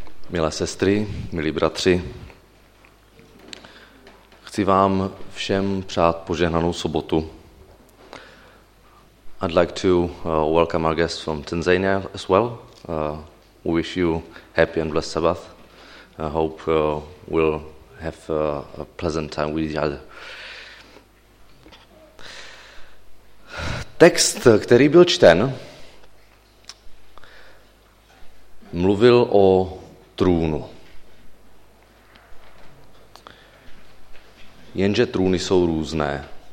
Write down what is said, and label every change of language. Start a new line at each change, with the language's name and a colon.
Czech: Milé sestry, milí bratři, chci vám všem přát požehnanou sobotu.
English: I'd like to welcome our guests from Tanzania as well. We wish you happy and blessed Sabbath. I hope we'll have a pleasant time with each other.
Czech: Text, který byl čten, mluvil o trůnu. Jenže trůny jsou různé.